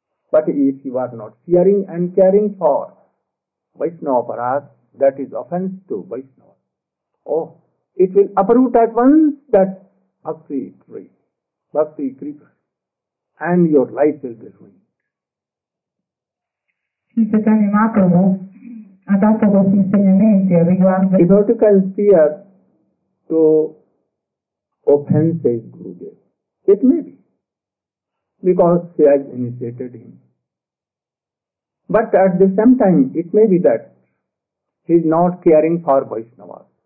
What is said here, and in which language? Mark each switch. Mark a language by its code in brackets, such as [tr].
[en] But if you are not fearing and caring for Vaishnava Parat, that is offense to Vaishnava. Oh, it will uproot at once that bhakti tree, bhakti creeper, and your life will be ruined. [it] Sri Chaitanya Mahaprabhu ha dato questi insegnamenti a riguardo. [en] If you can fear to offense his Gurudev, it may be because he has initiated him. But at the same time, it may be that he is not caring for Vaishnavas.